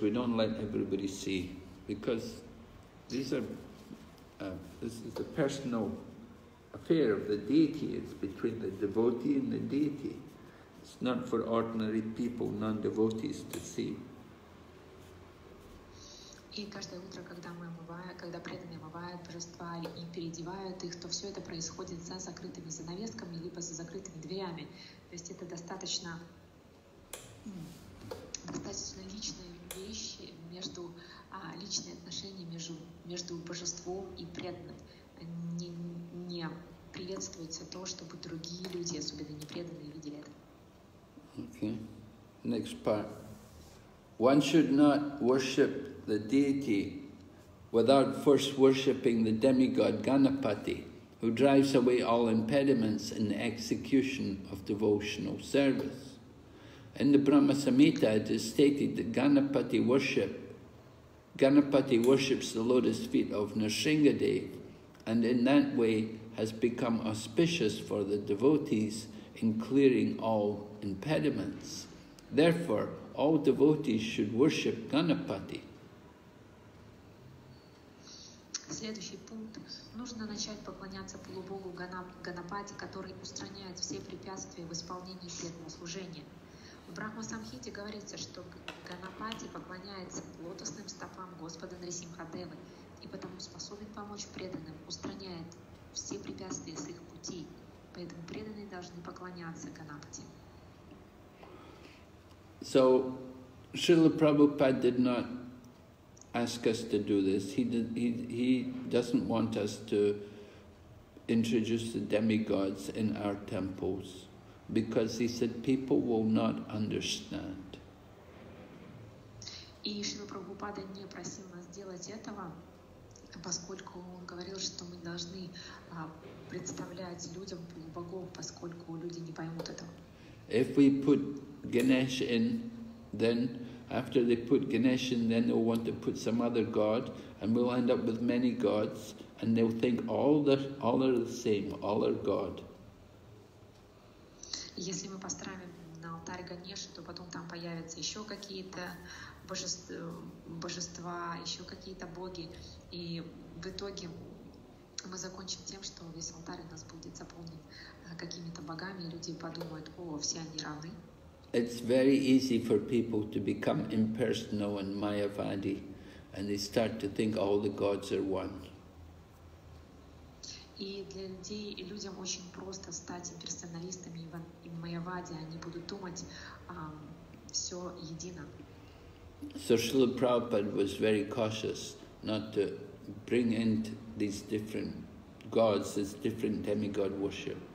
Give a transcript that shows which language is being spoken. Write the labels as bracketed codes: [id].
[en] We don't let everybody see because this is a personal affair of the deity. It's between the devotee and the deity. It's not for ordinary people, non-devotees, to see. [ru] И каждое утро, когда преданные омывают божества и переодевают их, то все это происходит за закрытыми занавесками либо за закрытыми дверями. То есть это достаточно личные вещи между личные отношения между божеством и преданным. Не приветствуется то, чтобы другие люди, особенно непреданные, видели это. [en] Okay. Next part. One should not worship the deity without first worshipping the demigod Ganapati, who drives away all impediments in the execution of devotional service. In the Brahma Samhita, it is stated that Ganapati worships the lotus feet of Narsingadev, and in that way has become auspicious for the devotees in clearing all impediments. Therefore, all devotees should worship Ganapati. [ru] Следующий пункт. Нужно начать поклоняться полубогу Ганапати, который устраняет все препятствия в исполнении преданного служения. В Брахма Самхите говорится, что Ганапати поклоняется лотосным стопам Господа Нарисимхадевы и потому способен помочь преданным, устраняет все препятствия с их пути. Поэтому преданные должны поклоняться Ганапати. [en] So, Srila Prabhupada did not ask us to do this. He doesn't want us to introduce the demigods in our temples because he said people will not understand. [ru] И Шрила Прабхупада не просил нас делать этого, поскольку он говорил, что мы должны представлять людям богов, поскольку люди не поймут этого. [en] If we put Ganesh in, then after they put Ganesh in, then they'll want to put some other god, and we'll end up with many gods, and they'll think all are the same, all are God. [ru] Если мы поставим на алтарь Ганеша, то потом там появятся еще какие-то божества, еще какие-то боги, и в итоге мы закончим тем, что весь алтарь у нас будет заполнен какими-то богами, и люди подумают, о, все они равны. [en] It's very easy for people to become impersonal and Mayavadi, and they start to think all the gods are one. [ru] И для людей и людям очень просто стать имперсоналистами и Майявади, они будут думать все едино. [en] So Srila Prabhupada was very cautious not to bring in these different gods, this different demigod worship.